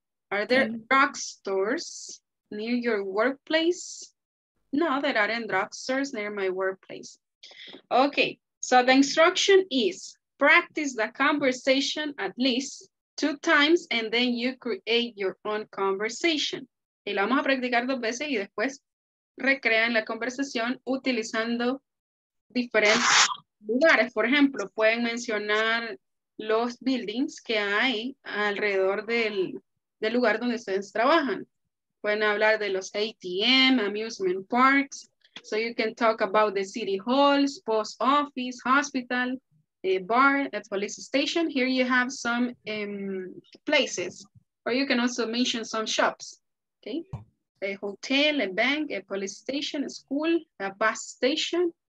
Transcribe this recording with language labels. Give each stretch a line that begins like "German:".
English: Are there drug stores near your workplace? No, there aren't drug stores near my workplace. Okay, so the instruction is practice the conversation at least 2 times and then you create your own conversation.
Spanish: Y la vamos a practicar 2 veces y después recrean la conversación utilizando diferentes lugares. Por ejemplo, pueden mencionar los buildings que hay alrededor del lugar donde ustedes trabajan. Pueden hablar de los ATM, amusement parks.
English: So you can talk about the city halls, post office, hospital, a bar, a police station. Here you have some places. Or you can also mention some shops. Okay, a hotel, a bank, a police station, a school, a bus station.